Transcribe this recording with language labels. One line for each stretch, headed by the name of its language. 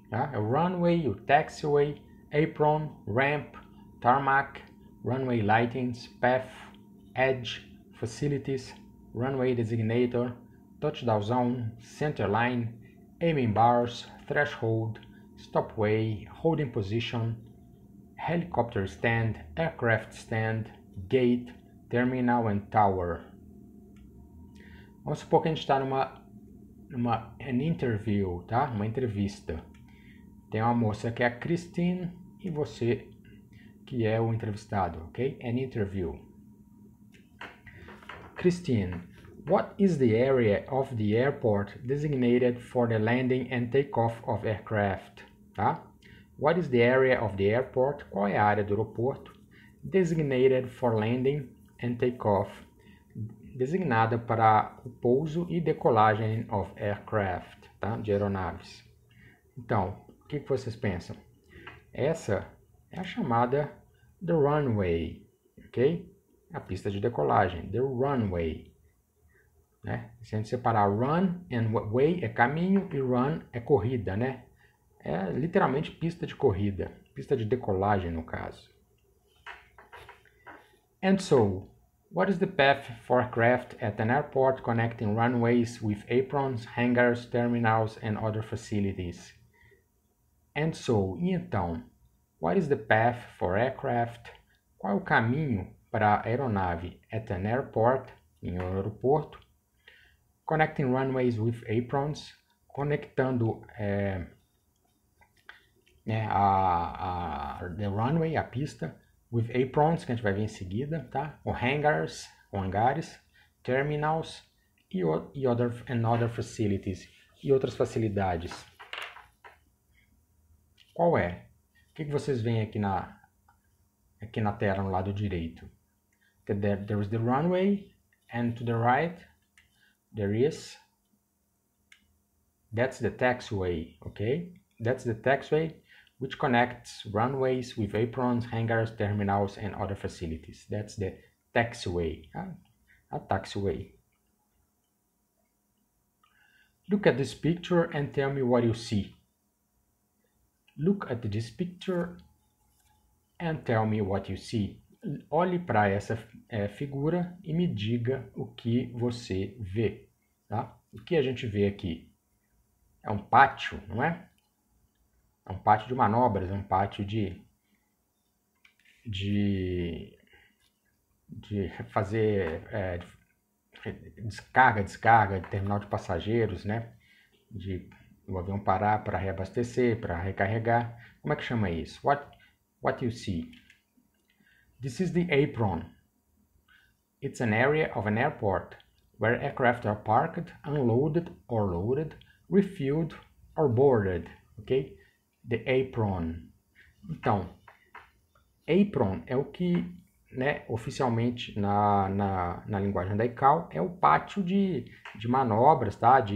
English: Tá? É o runway, o taxiway, apron, ramp, tarmac, runway lightings, path, edge, facilities, runway designator, touchdown zone, centerline, aiming bars, threshold, stopway, holding position, helicopter stand, aircraft stand, gate, terminal and tower.
Portuguese: Vamos supor que a gente está numa
English: an interview,
Portuguese: tá? Uma entrevista. Tem uma moça que é a Christine e você que é o entrevistado, ok?
English: An interview. Christine, what is the area of the airport designated for the landing and takeoff of aircraft? Tá? What is the area of the airport?
Portuguese: Qual é a área do aeroporto
English: designated for landing and takeoff?
Portuguese: Designada para o pouso e decolagem
English: of aircraft,
Portuguese: tá? De aeronaves. Então, o que vocês pensam? Essa é a chamada the runway, ok? A pista de decolagem, the runway. Né? Se a gente separar run and way é caminho e run é corrida, né? É literalmente pista de corrida, pista de decolagem no caso.
English: And so, what is the path for aircraft at an airport connecting runways with aprons, hangars, terminals and other facilities? And so,
Portuguese: e então,
English: what is the path for aircraft?
Portuguese: Qual é o caminho para aeronave
English: at an airport,
Portuguese: em um aeroporto?
English: Connecting runways with aprons,
Portuguese: conectando the runway, a pista, with aprons, que a gente vai ver em seguida, tá? O hangars, ou hangares,
English: terminals and other facilities,
Portuguese: e outras facilidades. Qual é? O que vocês veem aqui na tela, no lado direito?
English: There is the runway, and to the right, that's the taxiway, okay? That's the taxiway which connects runways with aprons, hangars, terminals and other facilities. That's the taxiway, a taxiway. Look at this picture and tell me what you see. Look at this picture and tell me what you see.
Portuguese: Olhe para essa figura e me diga o que você vê. Tá? O que a gente vê aqui? É um pátio, não é? É um pátio de manobras, é um pátio de fazer descarga, descarga, terminal de passageiros, né? De o avião parar para reabastecer, para recarregar. Como é que chama isso?
English: What you see? This is the apron. It's an area of an airport where aircraft are parked, unloaded or loaded, refueled or boarded, ok? The apron.
Portuguese: Então, apron é o que, né, oficialmente na linguagem da ICAO é o pátio de manobras, tá?